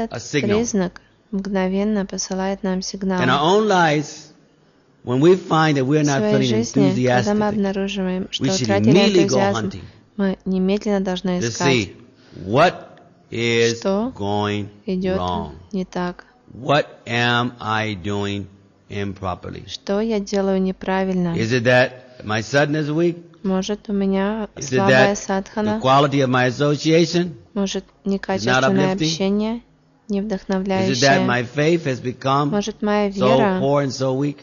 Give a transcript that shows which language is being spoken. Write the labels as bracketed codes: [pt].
[ru] Этот признак мгновенно посылает нам сигнал. [en] In our own lives, when we find that we are not feeling enthusiastic, we should immediately go hunting. [ru] Мы немедленно должны искать. [en] To see what is going wrong. [ru] Не так. [en] What am I doing improperly? [ru] Что я делаю неправильно? [en] Is it that my sadhana is weak? [ru] Может, у меня слабая садхана? [en] The quality of my association? [ru] Может, некачественное общение, не вдохновляющее? [en] Is it that my faith has become so poor and so weak?